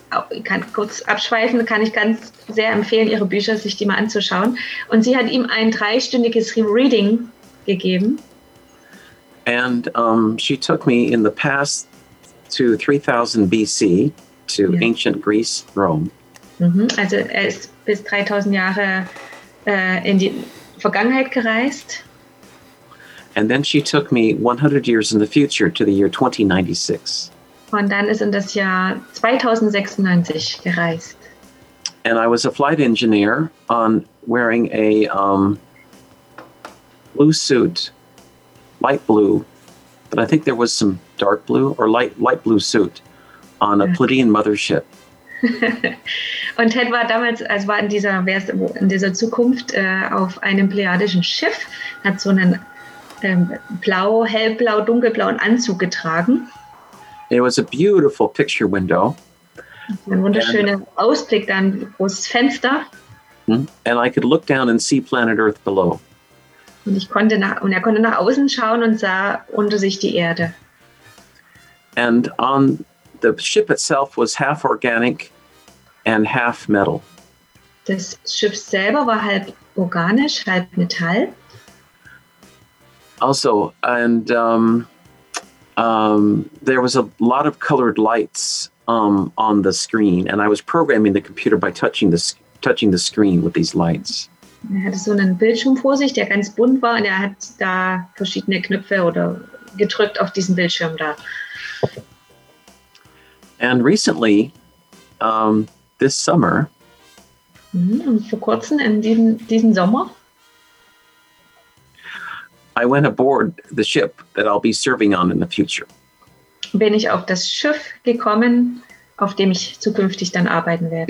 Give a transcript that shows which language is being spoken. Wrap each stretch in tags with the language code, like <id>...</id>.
<de>Ich kann kurz abschweifen, kann ich ganz sehr empfehlen, ihre Bücher, sich die mal anzuschauen. Und sie hat ihm ein 3-stündiges Reading gegeben.</de> <en>And she took me in the past to 3000 BC, to ancient Greece, Rome. Mm-hmm.</en> <de>Also er ist bis 3000 Jahre in die Vergangenheit gereist.</de> <en>And then she took me 100 years in the future, to the year 2096.</en> <de>Und dann ist in das Jahr 2096 gereist.</de> <en>And I was a flight engineer wearing a blue suit, light blue. But I think there was some dark blue or light blue suit on a Pleiadian mothership.</en> <de>Und Ted war damals, also war in dieser Zukunft auf einem pleiadischen Schiff, hat so einen blau, hellblau, dunkelblauen Anzug getragen.</de> <en>It was a beautiful picture window.</en> <de>Ein wunderschöner Ausblick, dann großes Fenster.</de> <en>And I could look down and see planet Earth below.</en> <de>Und er konnte nach außen schauen und sah unter sich die Erde.</de> <en>And on the ship itself was half organic and half metal.</en> <de>Das Schiff selber war halb organisch, halb Metall.</de> <en>Also, and there was a lot of colored lights on the screen, and I was programming the computer by touching the screen with these lights.</en> <de>Er hatte so einen Bildschirm vor sich, der ganz bunt war, und er hat da verschiedene Knöpfe oder gedrückt auf diesen Bildschirm da.</de> <en>And recently, this summer.</en> <de>Und vor kurzem, in diesem Sommer.</de> <en>I went aboard the ship that I'll be serving on in the future.</en> <de>Bin ich auf das Schiff gekommen, auf dem ich zukünftig dann arbeiten werde.</de>